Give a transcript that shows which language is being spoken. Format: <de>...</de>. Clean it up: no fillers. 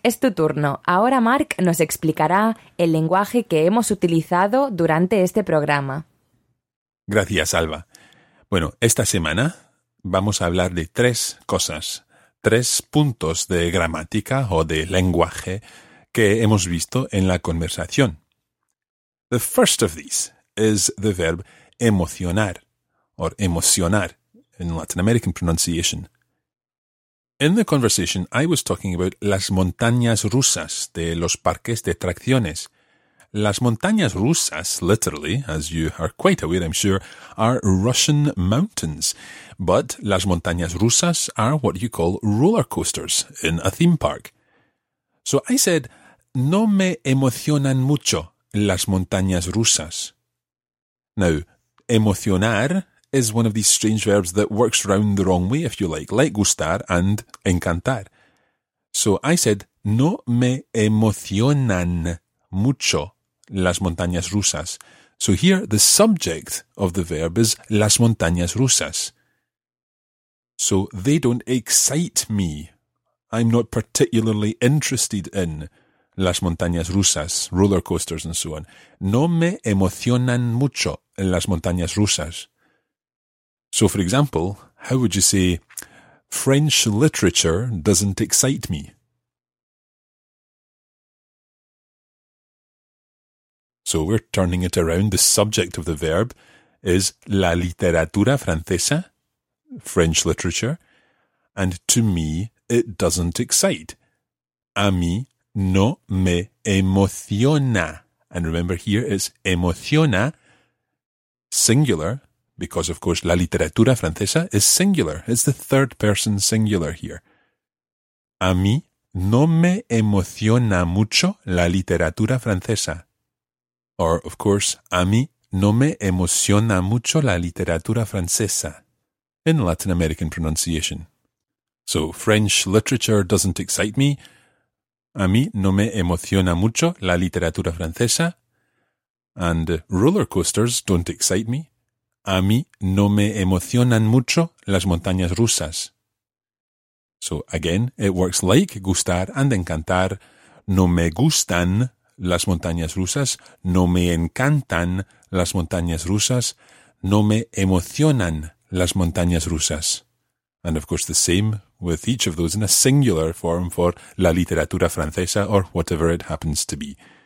<es>Es tu turno. Ahora Mark nos explicará el lenguaje que hemos utilizado durante este programa. Gracias, Alba. Bueno, esta semana vamos a hablar de tres cosas, tres puntos de gramática o de lenguaje que hemos visto en la conversación.</es> <en>The first of these is the verb emocionar, or emocionar. In Latin American pronunciation. In the conversation, I was talking about</en> <es>las montañas rusas de los parques de atracciones.</es> <en>Las montañas rusas, literally, as you are quite aware, I'm sure, are Russian mountains. But las montañas rusas are what you call roller coasters in a theme park. So I said,</en> <es>no me emocionan mucho las montañas rusas.</es> <en>Now, emocionar is one of these strange verbs that works round the wrong way, if you like gustar and encantar. So I said,</en> <es>no me emocionan mucho las montañas rusas.</es> <en>So here the subject of the verb is las montañas rusas. So they don't excite me. I'm not particularly interested in las montañas rusas, roller coasters and so on.</en> <es>No me emocionan mucho las montañas rusas.</es> <en>So, for example, how would you say, French literature doesn't excite me? So we're turning it around. The subject of the verb is la literatura francesa, French literature, and to me, it doesn't excite.</en> <es>A mí no me emociona.</es> <en>And remember here, it's emociona, singular, because, of course, la literatura francesa is singular. It's the third person singular here.</en> <es>A mí no me emociona mucho la literatura francesa.</es> <en>Or, of course,</en> <es>a mí no me emociona mucho la literatura francesa.</es> <en>In Latin American pronunciation. So, French literature doesn't excite me.</en> <es>A mí no me emociona mucho la literatura francesa.</es> <en>And roller coasters don't excite me.</en> <es>A mí no me emocionan mucho las montañas rusas.</es> <en>So again, it works like gustar and encantar.</en> <es>No me gustan las montañas rusas. No me encantan las montañas rusas. No me emocionan las montañas rusas.</es> <en>And of course the same with each of those in a singular form for la literatura francesa or whatever it happens to be.</en>